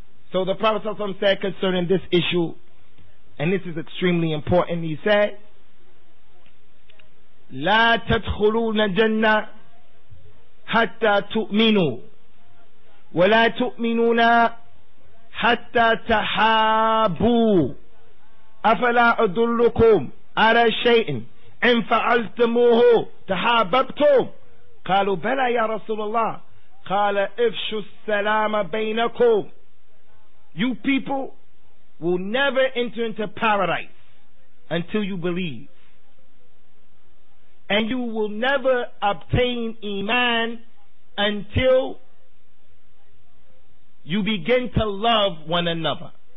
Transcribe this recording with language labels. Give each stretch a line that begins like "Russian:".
English: So the Prophet ﷺ said concerning this issue, and this is extremely important, he said,
Arabic: "La tadkhuluna jannah hatta tu'minu ولا تؤمنون حتى تحابوا أفلا أدلكم على شيء إن فعلتموه تحاببتم قالوا بلى يا رسول الله قال افشوا السلام بينكم.
English: You people will never enter into paradise until you believe. And you will never obtain Iman until you begin to love one another.